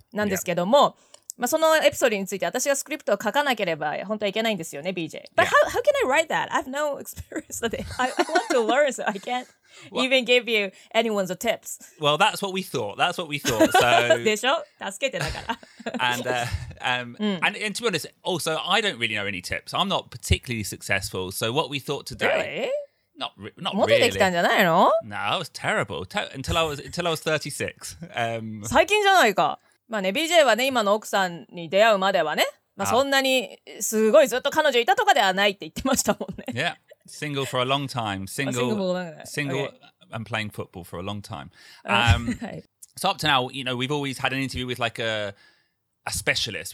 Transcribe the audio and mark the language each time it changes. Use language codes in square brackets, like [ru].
[ja] なんですけども、yeah. まあ、そのエピソードについて私がスクリプトを書かなければ本当はいけないんですよね、BJ。 [en] But、yeah. how can I write that? I have no experience of it. I want to learn, so I can't even give you anyone's tips. Well, that's what we thought. That's what we thought. So... [ja] でしょ助けてだから。 [en] And to be honest, also, I don't really know any tips. I'm not particularly successful. So what we thought today... Really? Not really. [ja] できたんじゃないの? [en] No, I was terrible. Until I was 36. [ja] 最近じゃないか。まあね、BJ はね、今の奥さんに出会うまではね、まあ、そんなにすごいずっと彼女いたとかではないって言ってましたもんね。 [en] Yeah, single for a long time. Single, and playing football for a long time. So up to now, you know, we've always had an interview with like a specialist.